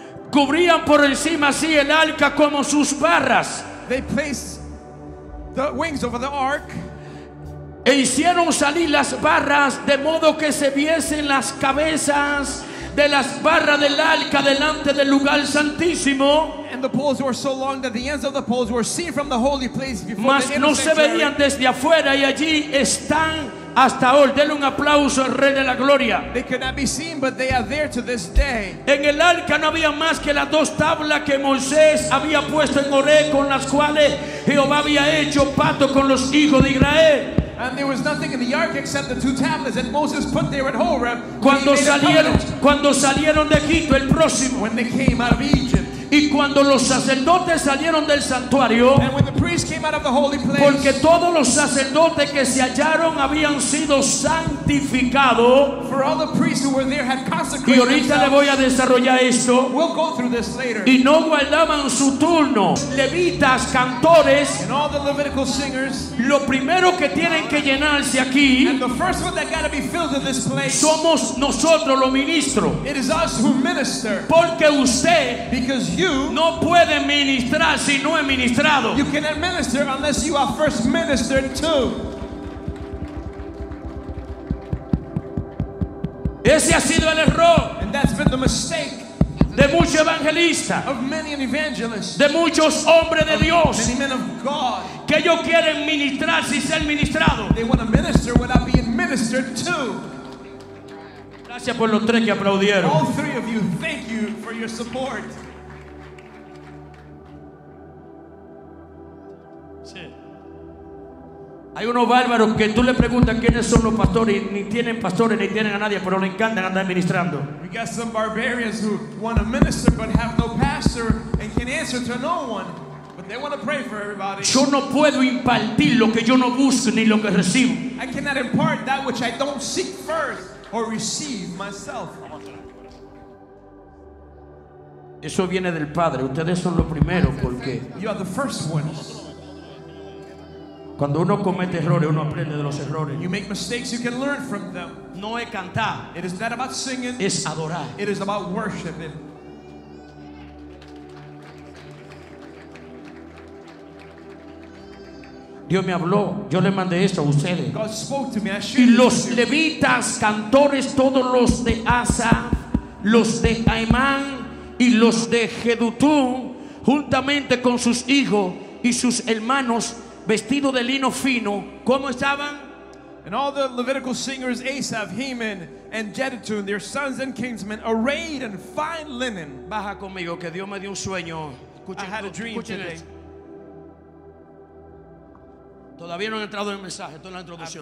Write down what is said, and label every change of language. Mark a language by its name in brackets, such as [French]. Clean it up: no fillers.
[Spanish] Cubrían por encima así el arca como sus barras. [English] They placed the wings over the ark. [Spanish] E hicieron salir las barras de modo que se viesen las cabezas de las barras del arca delante del lugar santísimo. [English] And the poles were so long that the ends of the poles were seen from the holy place before [Spanish] mas [English] the [Spanish] no se veían desde afuera y allí están Hasta hoy, denle un aplauso al Rey de la Gloria. [English] They could not be seen, but they are there to this day. [Spanish] En el arca no había más que las dos tablas que Moisés había puesto en Horeb, con las cuales Jehová había hecho pacto con los hijos de Israel. [English] And there was nothing in the ark except the two tablets that Moses put there at Horeb. [Spanish] Cuando salieron de Egipto, el próximo. [English] When they came out of Egypt. [Spanish] Y cuando los sacerdotes salieron del santuario, [English] and when the priest came out of the holy place, [Spanish] porque todos los sacerdotes que se hallaron habían sido santificados, [English] for all the priests who were there had consecrated. [Spanish] Y ahorita le voy a desarrollar esto. [English] We'll go through this later. [Spanish] Y no guardaban su turno. Levitas, cantores, [English] and all the Levitical singers, [Spanish] lo primero que tienen que llenarse aquí, [English] and the first one that got to be filled in this place, [Spanish] somos nosotros los ministros. [English] It is us who minister. [Spanish] Porque usted, [English] because you, [Spanish] no puede ministrar si no es ministrado. [English] You cannot minister unless you are first ministered to. [Spanish] Ese ha sido el error. [English] And that's been the mistake. [Spanish] De muchos evangelistas. [English] Of many evangelists. [Spanish] De muchos hombres de Dios. [English] Many men of God. [Spanish] Que ellos quieren ministrar sin ser ministrado. [English] They want to minister without being ministered to. [Spanish] Gracias por los tres que aplaudieron. [English] All three of you, thank you for your support. [Spanish] Hay unos bárbaros que tú le preguntas quiénes son los pastores, ni tienen pastores ni tienen a nadie, pero le encantan andar ministrando. [English] We got some barbarians who want to minister but have no pastor and can answer to no one, but they want to pray for everybody. [Spanish] Yo no puedo impartir lo que yo no busco ni lo que recibo. [English] I cannot impart that which I don't seek first or receive myself. [Spanish] Eso viene del Padre. Ustedes son los primeros porque. [English] You are the first ones. [Spanish] Cuando uno comete errores, uno aprende de los errores. [English] You make mistakes, you can learn from them. [Spanish] No es cantar. [English] It is not about singing. [Spanish] Es adorar. [English] It is about worshiping. [Spanish] Dios me habló. Yo le mandé esto a ustedes. [English] God spoke to me. I [Spanish] y los levitas, cantores, todos los de Asa, los de Aimán y los de Jedutún, juntamente con sus hijos y sus hermanos, vestido de lino fino, ¿cómo estaban? [English] And all the Levitical singers, Asaph, Heman, and Jeduthun, their sons and kinsmen, arrayed in fine linen. [Spanish] Baja conmigo, que Dios me dio un sueño. [English] I had a dream today. [Spanish] Todavía no he entrado en el mensaje, estoy en la introducción.